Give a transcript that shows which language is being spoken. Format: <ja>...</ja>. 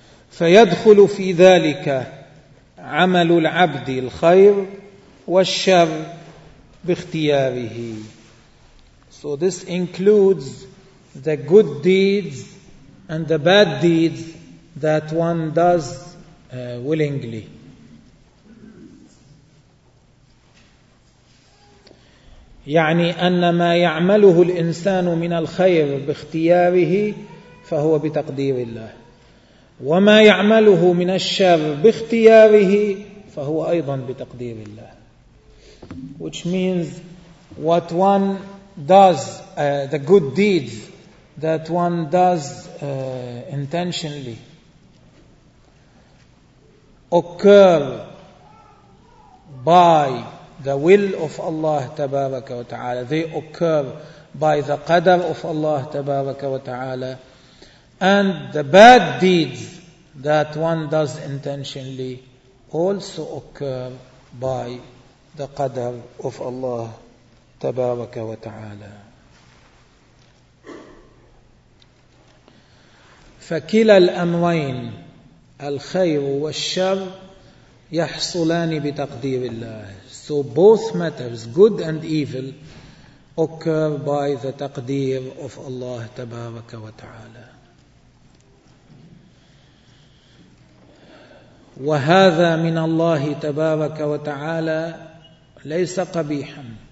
<ar>فَيَدْخُلُ فِي ذَلِكَ عَمَلُ الْعَبْدِ الْخَيْرِ وَالشَّرِ بِاخْتِيَارِهِ.</ar> <en>So this includes the good deeds and the bad deeds that one does willingly.</en> <ar>يعني أن ما يعمله الإنسان من الخير باختياره فهو بتقدير الله، وما يعمله من الشر باختياره فهو أيضا بتقدير الله.</ar> <en>Which means what one does, the good deeds that one does intentionally occur by the will of Allah tabaraka wa ta'ala, they occur by the qadr of Allah tabaraka wa ta'ala, and the bad deeds that one does intentionally also occur by the qadr of Allah تبارك وتعالى.</en> <ar>فكلا الأمرين الخير والشر يحصلان بتقدير الله.</ar> <en>So both matters, good and evil, occur by the تقدير of Allah تبارك وتعالى.</en> <ar>وهذا من الله تبارك وتعالى ليس قبيحا.</ar>